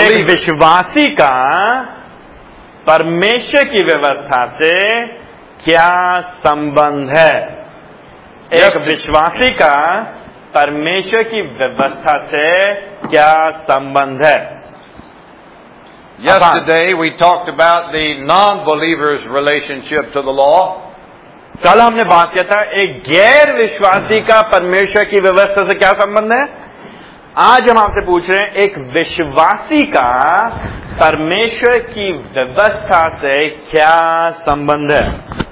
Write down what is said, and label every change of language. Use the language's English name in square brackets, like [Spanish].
[Hindi] एक विश्वासी का परमेश्वर की व्यवस्था से क्या संबंध है एक विश्वासी का परमेश्वर की व्यवस्था से क्या संबंध है [English] Yesterday we talked about the non-believer's relationship to the law [Hindi] कल हमने बात किया था एक गैर विश्वासी का परमेश्वर की व्यवस्था से क्या संबंध है आज हम आपसे पूछ रहे हैं एक विश्वासी का परमेश्वर की व्यवस्था से क्या संबंध है